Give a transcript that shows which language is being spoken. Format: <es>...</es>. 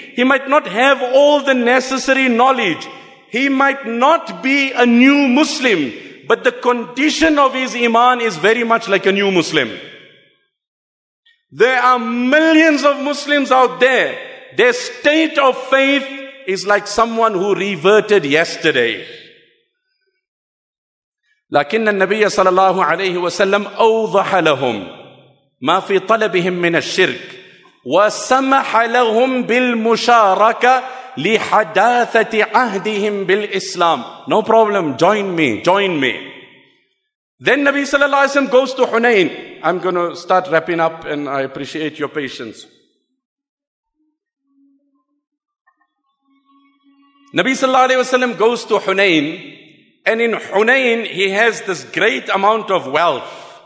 <en>He might not have all the necessary knowledge. He might not be a new Muslim. But the condition of his iman is very much like a new Muslim. There are millions of Muslims out there. Their state of faith is like someone who reverted yesterday.</en> <ar>لكن النبي صلى الله عليه وسلم أوضح لهم ما في طلبهم من الشرك وسمح لهم بالمشاركة لحداثة عهدهم بالإسلام.</ar> <en>No problem, join me, join me. Then Nabi صلى الله عليه وسلم goes to Hunayn. I'm going to start wrapping up and I appreciate your patience. Nabi sallallahu alayhi wa sallam goes to Hunayn, and in Hunayn he has this great amount of wealth.</en>